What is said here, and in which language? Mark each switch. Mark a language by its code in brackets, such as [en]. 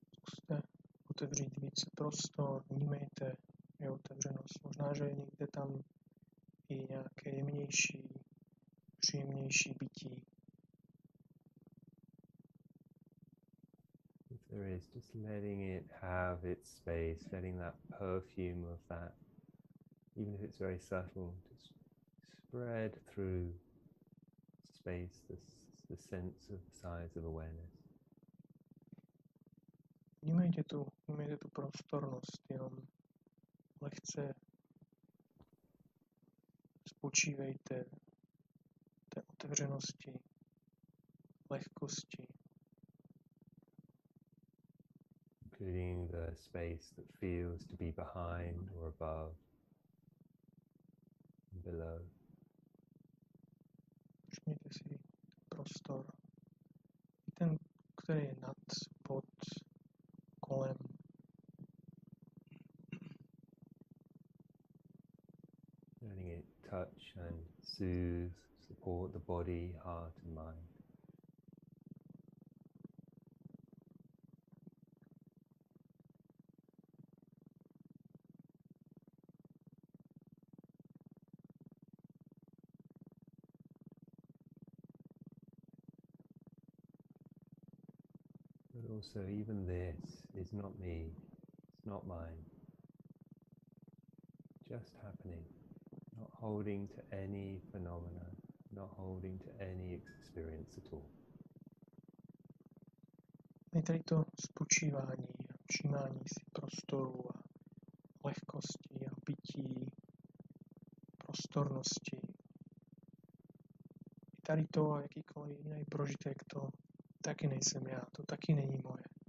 [cs] Zkuste otevřít více prostor, vnímejte, je otevřenost. Možná, že je někde tam i nějaké jemnější, příjemnější bytí. [en] There is just letting it have its space, letting that perfume of that, even if it's very subtle, just spread through space, the sense of the size of awareness. [cs] Vnímejte tu prostornost, jenom lehce spočívejte té otevřenosti, lehkosti. [en] Including the space that feels to be behind or above, below. [cs] Všimněte si prostor, ten, který je nad, pod, kolem. [en] Letting it touch and soothe, support the body, heart and mind. So even this is not me, it's not mine, just happening, not holding to any phenomena, not holding to any experience at all. [cs] Je tady to spočívání, všímání si prostoru a lehkosti a bytí, prostornosti. Je tady to a jakýkoliv jiný prožitek, to taky nejsem já, to taky není moje.